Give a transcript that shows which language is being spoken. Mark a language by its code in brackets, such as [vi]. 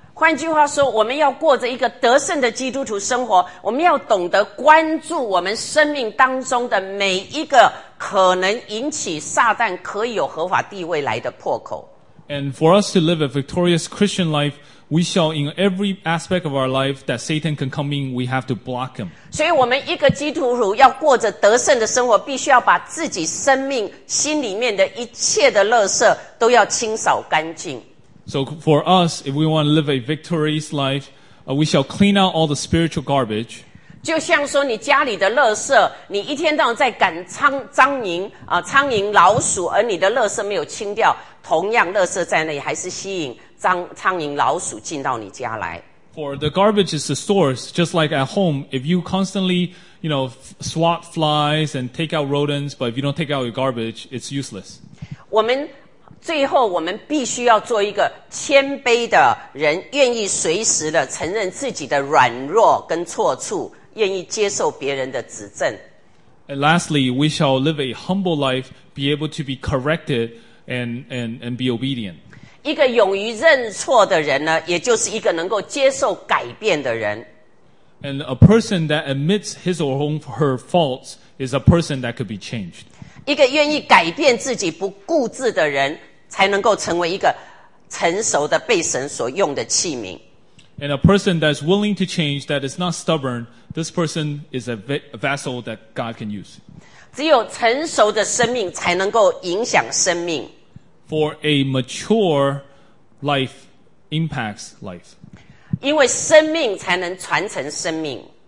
[zh] 换句话说，我们要过着一个得胜的基督徒生活，我们要懂得关注我们生命当中的每一个可能引起撒旦可以有合法地位来的破口。 [en] And for us to live a victorious Christian life, we shall in every aspect of our life that Satan can come in, we have to block him. [zh] 所以我们一个基督徒要过着得胜的生活，必须要把自己生命心里面的一切的垃圾都要清扫干净。 [en] So for us, if we want to live a victorious life, we shall clean out all the spiritual garbage. [zh] 就像说你家里的垃圾，你一天到晚在赶苍蝇、苍蝇老鼠，而你的垃圾没有清掉，同样垃圾在那里还是吸引苍蝇老鼠进到你家来。 [en] For the garbage is the source, just like at home, if you constantly, you know, swat flies and take out rodents, but if you don't take out your garbage, it's useless. [zh] 我们最后我们必须要做一个谦卑的人，愿意随时的承认自己的软弱跟错处，愿意接受别人的指正。 [en] And lastly, we shall live a humble life, be able to be corrected and be obedient. [zh] 一个勇于认错的人呢，也就是一个能够接受改变的人。 [en] And a person that admits his or her faults is a person that could be changed. [zh] 一个愿意改变自己不固执的人，才能够成为一个成熟的被神所用的器皿。 [en] And a person that's willing to change, that is not stubborn, this person is a vessel that God can use. [zh] 只有成熟的生命才能够影响生命。 [en] For a mature life impacts life. [zh] 因为生命才能传承生命。